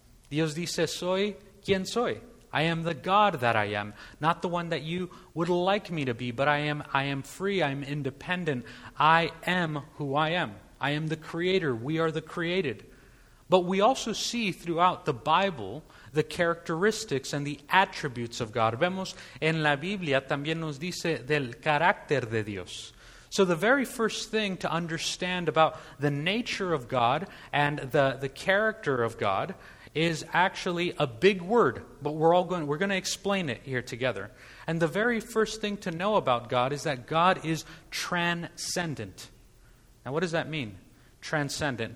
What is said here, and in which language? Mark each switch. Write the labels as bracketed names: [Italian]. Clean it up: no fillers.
[Spanish] Dios dice, soy quien soy. [English] I am the God that I am, not the one that you would like me to be, but I am free, I am independent, I am who I am. I am the creator, we are the created. But we also see throughout the Bible the characteristics and the attributes of God. [Spanish] Vemos en la Biblia, también nos dice del carácter de Dios. [English] So the very first thing to understand about the nature of God and the character of God is actually a big word, but we're going to explain it here together. And the very first thing to know about God is that God is transcendent. Now, what does that mean? Transcendent.